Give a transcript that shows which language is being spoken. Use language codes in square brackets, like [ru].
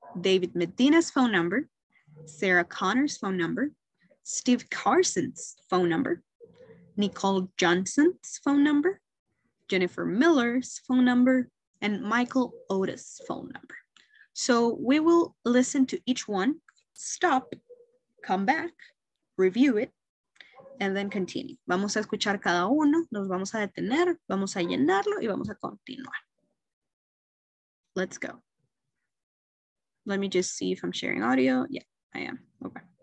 [en] David Medina's phone number, Sarah Connor's phone number, Steve Carson's phone number, Nicole Johnson's phone number, Jennifer Miller's phone number, and Michael Otis's phone number. So we will listen to each one, stop, come back, review it, and then continue. [es] Vamos a escuchar cada uno, nos vamos a detener, vamos a llenarlo y vamos a continuar. [en] Let's go. Let me just see if I'm sharing audio. Yeah, I am. Okay.